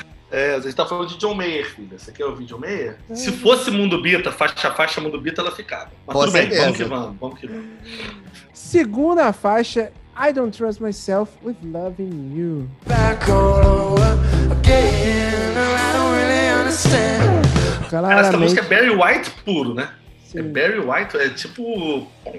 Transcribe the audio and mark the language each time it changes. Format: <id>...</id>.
<pt>É, a gente tá falando de John Mayer, filha. Você quer ouvir John Mayer? É. Se fosse Mundo Bita, faixa a faixa Mundo Bita, ela ficava. Mas pode tudo bem, vamos que vamos. Segunda faixa, I Don't Trust Myself with Loving You.</pt> <en>Back all over again, I don't really understand.</en> <pt>Claramente. Essa música é Barry White puro, né? Sim. É Barry White, é tipo...</pt>